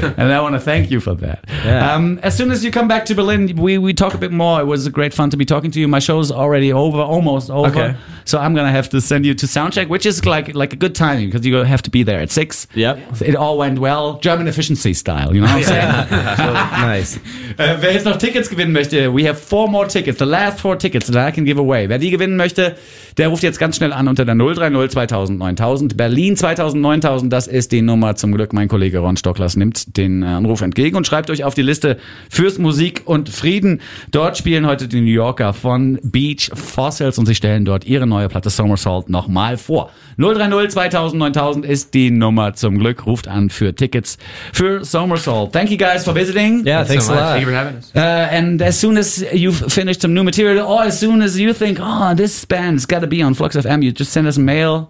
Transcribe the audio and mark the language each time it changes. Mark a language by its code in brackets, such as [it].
[en] and I want to thank you for that. Yeah. As soon as you come back to Berlin, we talk a bit more. It was a great fun to be talking to you. My show's already over, almost over. Okay. So I'm going to have to send you to soundcheck, which is like a good timing because you have to be there at 6. Yep. It all went well, German efficiency style. You know what I'm saying? Nice. [de] Wer jetzt noch Tickets gewinnen möchte, [en] we have 4 more tickets. The last 4 tickets that I can give away. [de] Wer die gewinnen möchte, der ruft jetzt ganz schnell an unter der 030 2000 9000 Berlin 2009. 9000, das ist die Nummer. Zum Glück, mein Kollege Ron Stocklers nimmt den Anruf entgegen und schreibt euch auf die Liste fürs Musik und Frieden. Dort spielen heute die New Yorker von Beach Fossils und sie stellen dort ihre neue Platte Somersault nochmal vor. 030 2000 9000 ist die Nummer. Zum Glück, ruft an für Tickets für Somersault. [en] Thank you guys for visiting. Yeah, thanks so much. Thank you for having us. And as soon as you've finished some new material or as soon as you think, oh, this band's got to be on Flux FM, you just send us a mail.